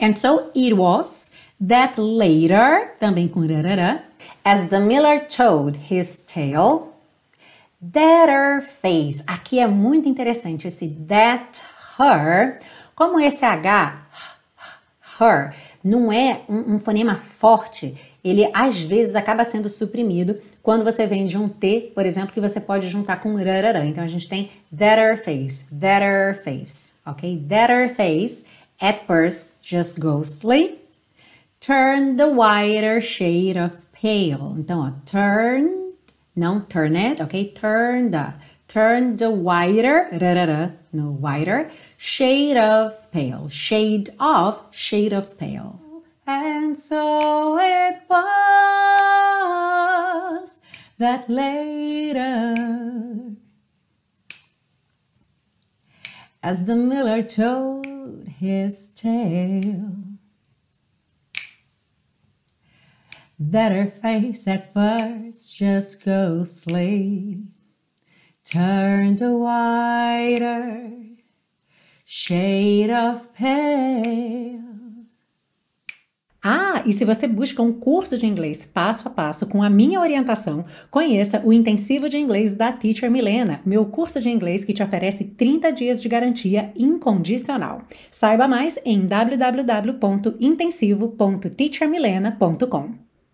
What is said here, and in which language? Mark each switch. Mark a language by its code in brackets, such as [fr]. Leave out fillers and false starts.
[en] And so it was that later, [pt] também com rarará, [en] as the miller told his tale, that her face, [pt] aqui é muito interessante esse [en] that her, [pt] como esse H, her, não é um fonema forte, ele às vezes acaba sendo suprimido quando você vem de um T, por exemplo, que você pode juntar com rarará. Então a gente tem [en] that her face, [pt] ok? [en] That her face, at first, just ghostly, turn the whiter shade of pale. [pt] Então, ó, turn, não turn it, ok? [en] Turn the whiter, rarará, no whiter, shade of pale. Shade of pale. And so it was that later, as the miller told his tale, that her face at first just ghostly turned a whiter shade of pale. [pt] Ah, e se você busca um curso de inglês passo a passo com a minha orientação, conheça o Intensivo de Inglês da Teacher Milena, meu curso de inglês que te oferece 30 dias de garantia incondicional. Saiba mais em www.intensivo.teachermilena.com.